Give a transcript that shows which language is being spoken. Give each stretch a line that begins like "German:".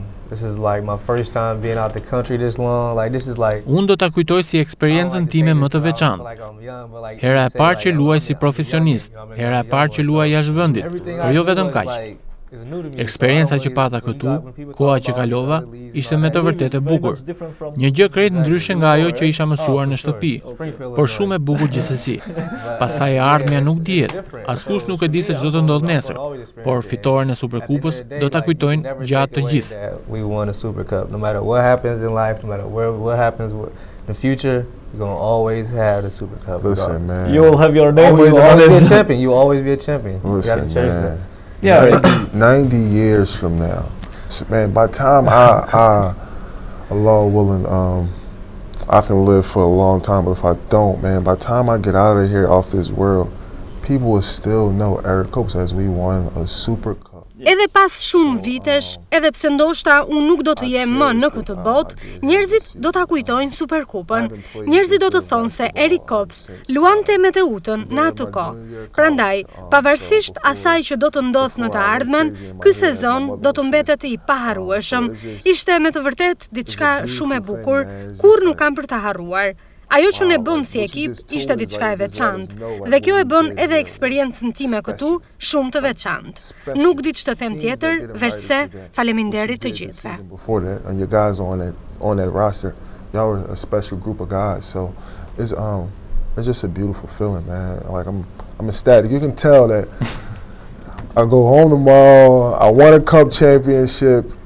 English: This is like my first time being out the country this long. Like this is like.
Albanian: Unë do ta kujtoj si eksperiencën time më të veçantë. Hera e parë që luaj si profesionist, hera e parë që luaj jashtë vendit, por jo vetëm kaq. Eksperienca që pata këtu, koha që kalova, ishte me të vërtetë e bukur. Një gjë krejt ndryshe nga ajo që isha mësuar në shtëpi, por shumë e bukur gjithsesi. Pastaj e ardhmja nuk dihet, askush nuk e di se ç'do të ndodhë nesër, por fitoren e Superkupës do ta kujtojnë gjatë të gjithë.
English: We won a Super Cup, no matter what happens in life, no matter what happens in the future. You're going to always have the Super Cup. Listen, man. You will have your name. You will always be a champion. You will always be a champion. Listen, man. Yeah, 90 years from now, so, man. By the time I, Allah willing, I can live for a long time. But if I don't, man, by the time I get out of here, off this world, people will still know Eric Copes as we won a Super Cup.
Albanian: Edhe pas shumë vitesh, edhe pse ndoshta unë nuk do të jem më në këtë botë, njerëzit do ta kujtojnë Superkupën. Njerëzit do të thonë se Eric Copes luante me Teutën në atë kohë. Prandaj, pavarësisht asaj që do të ndodh në të ardhmen, ky sezon do të mbetet I paharrueshëm. Ishte me të vërtetë diçka shumë e bukur, kur nuk kam për të harruar. Ajo që ne bëm si ekip ishte diçka e veçantë dhe kjo e bën edhe eksperiencën time këtu shumë të veçantë. Nuk di ç'të them tjetër veçse faleminderit të gjithëve.
English: For that and your guys on that roster, y'all are a special group of guys, so it's just a beautiful feeling, man. Like I'm ecstatic. You can tell that I go home tomorrow, I won a cup championship.